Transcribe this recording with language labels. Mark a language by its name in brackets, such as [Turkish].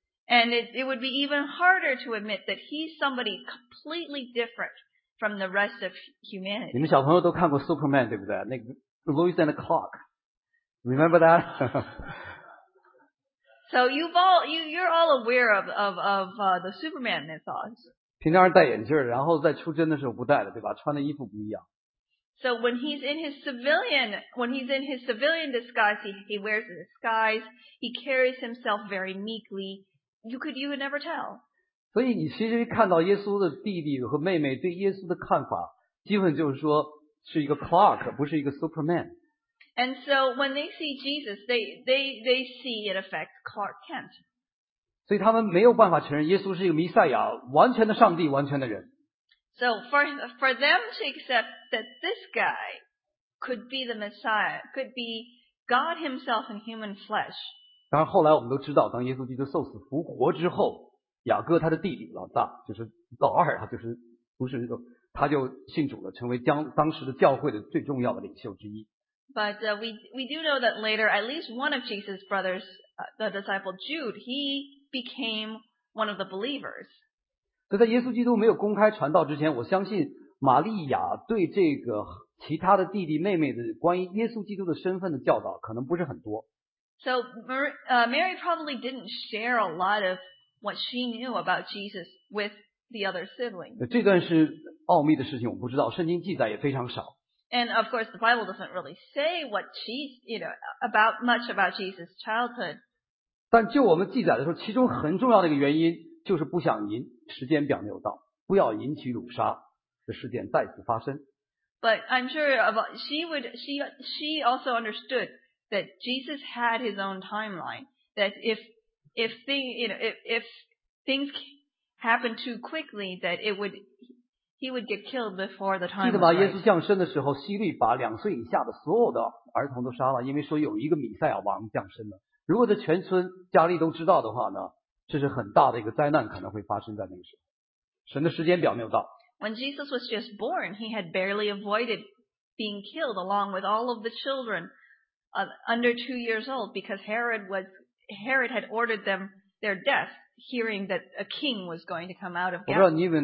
[English] And it would be even harder to admit that he's somebody completely different from the rest of humanity. [Chinese] 你们小朋友都看过 Superman 对不对？那个 [English] Lois and Clark, remember that? So you're all aware of the Superman mythos. [Chinese] 平常戴眼镜，然后在出征的时候不戴了，对吧？穿的衣服不一样。 [English] So when he's in his civilian disguise, he wears a disguise. He carries himself very meekly. You could never tell. [Chinese] 所以你其实看到耶稣的弟弟和妹妹对耶稣的看法，基本就是说是一个 Clark， 不是一个 Superman。 [English] And so when they see Jesus, they see it affects Clark Kent. [Chinese] 所以他们没有办法承认耶稣是一个弥赛亚，完全的上帝，完全的人。 [English] So for them to accept that this guy could be the Messiah, could be God himself in human flesh. [Chinese] 当然后来我们都知道，当耶稣基督受死复活之后，雅各他的弟弟老大，就是老二，他就是不是他就信主了，成为当时的教会的最重要的领袖之一。 [English] But we do know that later, at least one of Jesus' brothers, the disciple Jude, he became one of the believers. [Chinese] 所以在耶稣基督没有公开传道之前，我相信玛利亚对这个其他的弟弟妹妹的关于耶稣基督的身份的教导可能不是很多。 [English] So Mary probably didn't share a lot of what she knew about Jesus with the other siblings. [Chinese] 这段是奥秘的事情，我不知道，圣经记载也非常少。 [English] And of course, the Bible doesn't really say what she, you know, about much about Jesus' childhood. [Chinese] 但就我们记载的时候，其中很重要的一个原因就是不想引时间表没有到，不要引起辱杀的事件再次发生。 [English] But I'm sure about, she also understood that Jesus had his own timeline. That if things happened too quickly, that he would get killed before the time. [Chinese] 记得吧，耶稣降生的时候， 希律把两岁以下的所有的儿童都杀了，因为说有一个弥赛亚王降生了。如果这全村加利都知道的话呢，这是很大的一个灾难可能会发生在那个时候。神的时间表没有到。 [English] When Jesus was just born, he had barely avoided being killed along with all of the children under 2 years old because Herod had ordered them their death, hearing that a king was going to come out of Galilee.